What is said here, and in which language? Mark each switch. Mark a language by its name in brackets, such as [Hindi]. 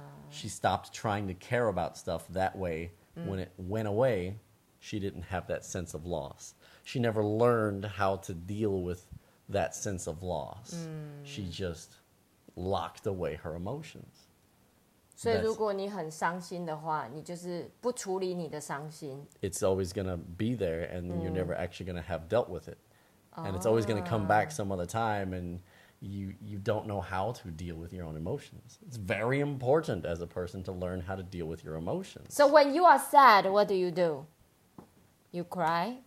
[English] She stopped trying to care about stuff that way. When it went away, she didn't have that sense of loss. She never learned how to deal with that sense of loss. She just locked away her emotions. [Chinese] 所以如果你很伤心的话，你就是不处理你的伤心。 [English] It's always going to be there, and you're never actually going to have dealt with it. And it's always going to come back some other time, and you don't know how to deal with your own emotions. It's very important as a person to learn how to deal with your emotions. So when you are sad, what do? You cry?